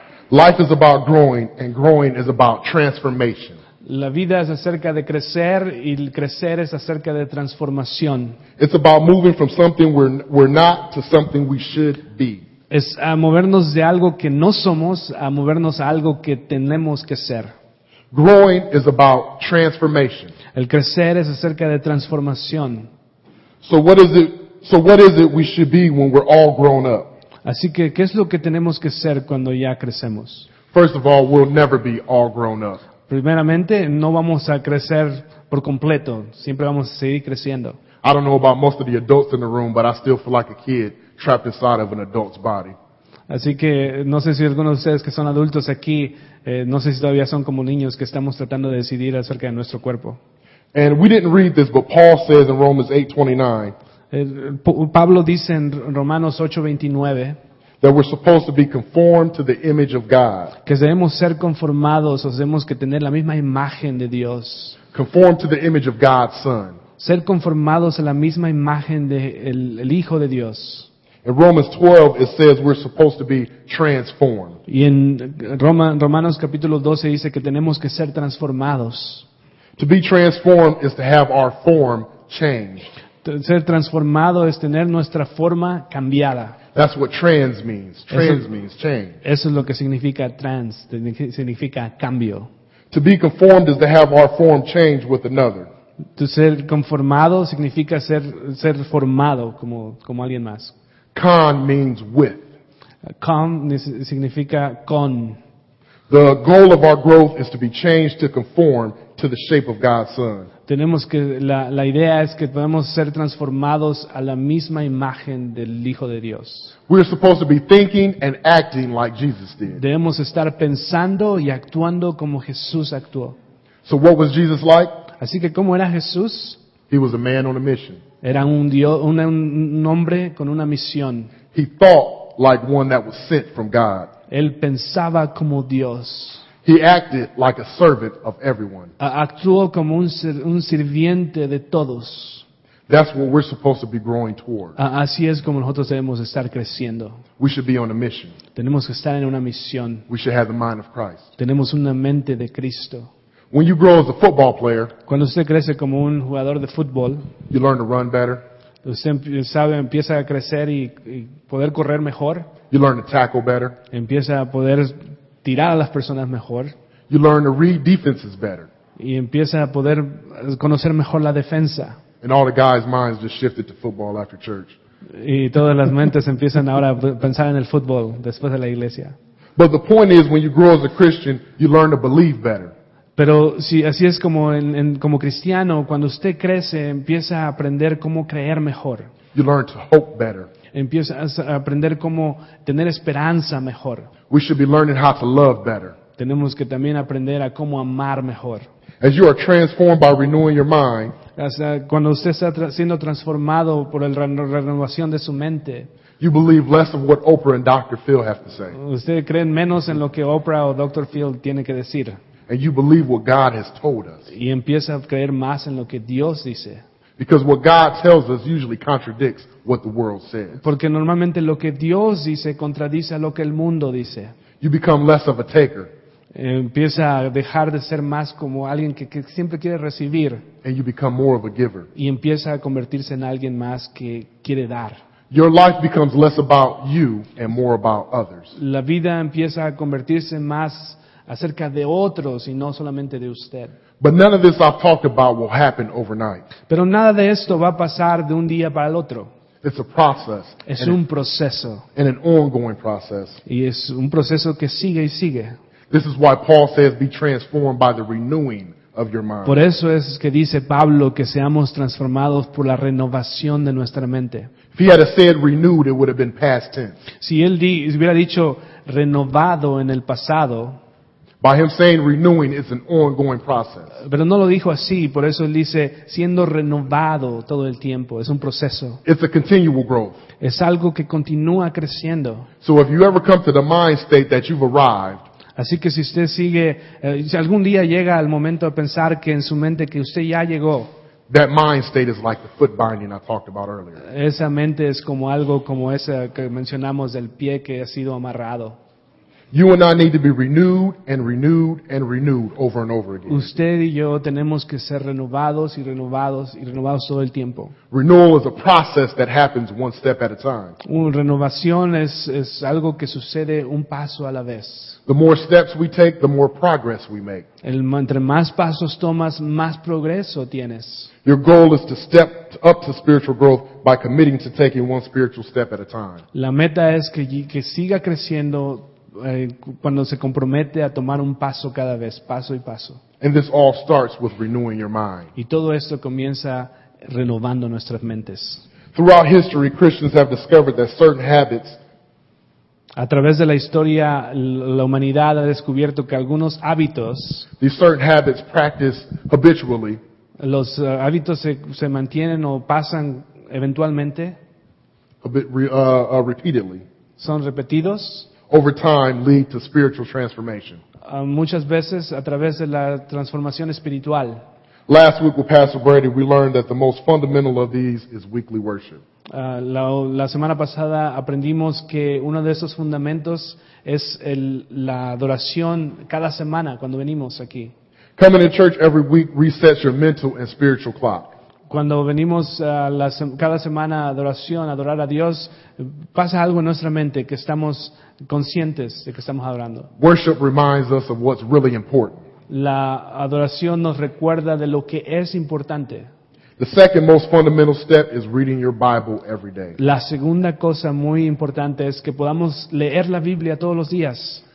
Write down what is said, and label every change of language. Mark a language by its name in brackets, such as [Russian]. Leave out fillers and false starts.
[English] Life is about growing, and growing is about transformation. [Spanish] La vida es acerca de crecer y el crecer es acerca de transformación. [English] It's about moving from something we're not to something we should be. [Spanish] Es a movernos de algo que no somos a movernos a algo que tenemos que ser. [English] Growing is about transformation. [Spanish] El crecer es acerca de transformación. [English] So what is it we should be when we're all grown up? [Spanish] Así que ¿qué es lo que tenemos que ser cuando ya crecemos? [English] First of all, we'll never be all grown up. [Spanish] Primeramente, no vamos a crecer por completo, siempre vamos a seguir creciendo. [English] I don't know about most of the adults in the room, but I still feel like a kid trapped inside of an adult's body. [Spanish] Así que no sé si algunos de ustedes que son adultos aquí, no sé si todavía son como niños que estamos tratando de decidir acerca de nuestro cuerpo. [English] And we didn't read this, but Paul says in Romans 8:29. [Spanish] Pablo dice en Romanos 8:29. [English] That we're supposed to be conformed to the image of God. [Spanish] Que debemos ser conformados, o tenemos que tener la misma imagen de Dios. [English] Conformed to the image of God's Son. [Spanish] Ser conformados a la misma imagen de el Hijo de Dios. [English] In Romans 12 it says we're supposed to be transformed. [Spanish] Y en Romanos capítulo 12 dice que tenemos que ser transformados. [English] To be transformed is to have our form changed. [Spanish] Ser transformado es tener nuestra forma cambiada. [English] That's what trans means. Trans means change. [Spanish] Eso es lo que significa trans, significa cambio. [English] To be conformed is to have our form changed with another. [Spanish] To ser conformado significa ser formado como alguien más. [English] Con means with. [Spanish] Con significa con. [English] The goal of our growth is to be changed to conform to the shape of God's Son. [Spanish] Tenemos que la idea es que podemos ser transformados a la misma imagen del Hijo de Dios. [English] We're supposed to be thinking and acting like Jesus did. [Spanish] Debemos estar pensando y actuando como Jesús actuó. [English] So what was Jesus like? [Spanish] Así que ¿cómo era Jesús? [English] He was a man on a mission. [Spanish] Era un hombre con una misión. [English] He thought like one that was sent from God. [Spanish] Él pensaba como Dios. [English] He acted like a servant of everyone. [Spanish] Actuó como un sirviente de todos. [English] That's what we're supposed to be growing toward. [Spanish] Así es como nosotros debemos estar creciendo. [English] We should be on a mission. [Spanish] Tenemos que estar en una misión. [English] We should have the mind of Christ. [Spanish] Tenemos una mente de Cristo. [English] When you grow as a football player, [Spanish] cuando usted crece como un jugador de fútbol, [English] you learn to run better. [Spanish] Usted sabe, empieza a crecer y poder correr mejor. [English] You learn to tackle better. [Spanish] Empieza a poder tirar a las personas mejor. [English] You learn to read defenses better. [Spanish] Y empieza a poder conocer mejor la defensa. [English] And all the guys' minds just shifted to football after church. [Spanish] Y todas las mentes empiezan ahora a pensar en el fútbol después de la iglesia. [English] But the point is, when you grow as a Christian, you learn to believe better. [Spanish] Pero si así es como como cristiano, cuando usted crece, empieza a aprender cómo creer mejor. [English] You learn to hope better. [Spanish] Empieza a aprender cómo tener esperanza mejor. [English] We should be learning how to love better. [Spanish] Tenemos que también aprender a cómo amar mejor. [English] As you are transformed by renewing your mind, [Spanish] cuando usted está siendo transformado por la renovación de su mente, [English] you believe less of what Oprah and Dr. Phil have to say. [Spanish] Usted cree menos en lo que Oprah o Dr. Phil tiene que decir. [English] And you believe what God has told us. [Spanish] Y empieza a creer más en lo que Dios dice. [English] Because what God tells us usually contradicts what the world says. [Spanish] Porque normalmente lo que Dios dice contradice a lo que el mundo dice. [English] You become less of a taker. [Spanish] Empieza a dejar de ser más como alguien que siempre quiere recibir. [English] And you become more of a giver. [Spanish] Y empieza a convertirse en alguien más que quiere dar. [English] Your life becomes less about you and more about others. [Spanish] La vida empieza a convertirse más acerca de otros y no solamente de usted. [English] But none of this I've talked about will happen overnight. [Spanish] Pero nada de esto va a pasar de un día para el otro. [English] It's a process. [Spanish] Es un proceso. [English] And an ongoing process. [Spanish] Y es un proceso que sigue y sigue. [English] This is why Paul says be transformed by the renewing of your mind. [Spanish] Por eso es que dice Pablo que seamos transformados por la renovación de nuestra mente. [English] If he had said renewed, it would have been past tense. [Spanish] Si él hubiera dicho renovado en el pasado, [English] by him saying renewing, it's an ongoing process. [Spanish] Pero no lo dijo así, por eso él dice siendo renovado todo el tiempo. Es un proceso. [English] It's a continual growth. [Spanish] Es algo que continúa creciendo. [English] So if you ever come to the mind state that you've arrived, [Spanish] así que si usted sigue, si algún día llega al momento de pensar que en su mente que usted ya llegó, [English] that mind state is like the foot binding I talked about earlier. [Spanish] Esa mente es como algo como esa que mencionamos del pie que ha sido amarrado. [English] You and I need to be renewed and renewed and renewed over and over again. [Spanish] Usted y yo tenemos que ser renovados y renovados y renovados todo el tiempo. [English] Renewal is a process that happens one step at a time. [Spanish] Una renovación es algo que sucede un paso a la vez. [English] The more steps we take, the more progress we make. [Spanish] Entre más pasos tomas, más progreso tienes. [English] Your goal is to step up to spiritual growth by committing to taking one spiritual step at a time. [Spanish] La meta es que siga creciendo cuando se compromete a tomar un paso cada vez, paso y paso. [English] And this all starts with renewing your mind. [Spanish] Y todo esto comienza renovando nuestras mentes. [English] Throughout history, Christians have discovered that certain habits, [Spanish] a través de la historia, la humanidad ha descubierto que algunos hábitos, [English] these certain habits practiced habitually, [Spanish] los hábitos se mantienen o pasan eventualmente, [English] repeatedly, [Spanish] son repetidos. [English] Over time lead to spiritual transformation. [Spanish] Muchas veces a través de la transformación espiritual. [English] Last week with Pastor Brady, we learned that the most fundamental of these is weekly worship. [Spanish] La semana pasada aprendimos que uno de esos fundamentos es la adoración cada semana cuando venimos aquí. [English] Coming to church every week resets your mental and spiritual clock. [Spanish] Cuando venimos cada semana a adoración, a adorar a Dios, pasa algo en nuestra mente que estamos conscientes de que estamos adorando. [English] Worship reminds us of what's really important. [Spanish] La adoración nos recuerda de lo que es importante. [English] The second most fundamental step is reading your Bible every day. [Spanish] La segunda cosa muy importante es que podamos leer la Biblia todos los días.